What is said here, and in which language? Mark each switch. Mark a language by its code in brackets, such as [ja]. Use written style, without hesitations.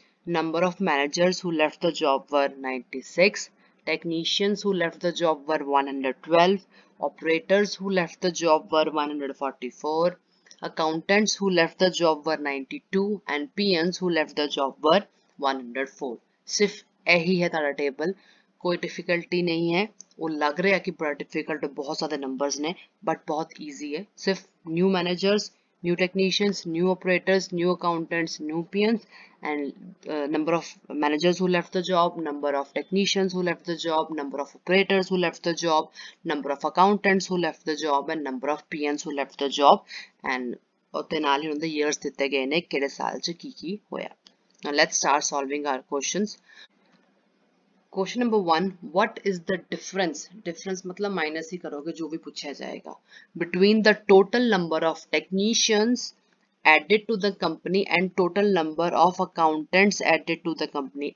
[en] number of managers who left the job were 96 technicians who left the job were 112 operators who left the job were 144 accountants who left the job were 92 and peons who left the job were 104 [pa] sif ehi hai tara table [hi] कोई difficulty नहीं है, वो लग रहा है कि बड़ा difficult है, बहुत सारे नंबर्स ने, बट बहुत ईजी है. [en] सिर्फ new managers, new technicians, new operators, new accountants, new peons and number of managers who left the job, number of technicians who left the job, number of operators who left the job, number of accountants who left the job and number of peons who left the job and [pa] ਉਹਦੇ ਨਾਲ ਹੀ ਉਹਨਾਂ ਦੇ years ਦਿੱਤੇ ਗਏ ਨੇ ਕਿਹੜੇ ਸਾਲ 'ਚ ਕੀ ਹੋਇਆ. [en] Now let's start solving our questions. Question number 1, what is the difference? [pa] Difference ਮਤਲਬ ਮਾਈਨਸ ਹੀ ਕਰੋਗੇ ਜੋ ਵੀ ਪੁੱਛਿਆ ਜਾਏਗਾ. [en] Between the total number of technicians added to the company and total number of accountants added to the company.